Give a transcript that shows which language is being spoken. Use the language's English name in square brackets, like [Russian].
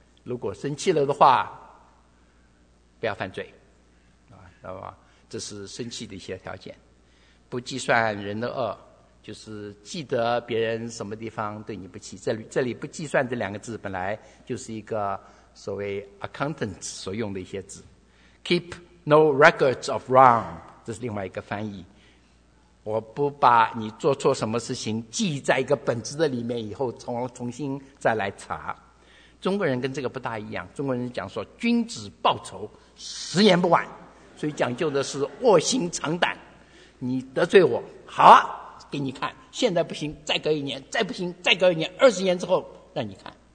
[Chinese] 如果生气了的话，不要犯罪，啊，知道吗？这是生气的一些条件。不计算人的恶，就是记得别人什么地方对你不起。这里不计算这两个字，本来就是一个所谓 accountant 所用的一些字。 [English] Keep no records of wrong，这是另外一个翻译。 [Chinese] 我不把你做错什么事情记在一个本子的里面，以后重新再来查。中国人跟这个不大一样，中国人讲说君子报仇十年不晚，所以讲究的是卧薪尝胆。你得罪我，好啊，给你看，现在不行再隔一年，再不行再隔一年，二十年之后让你看。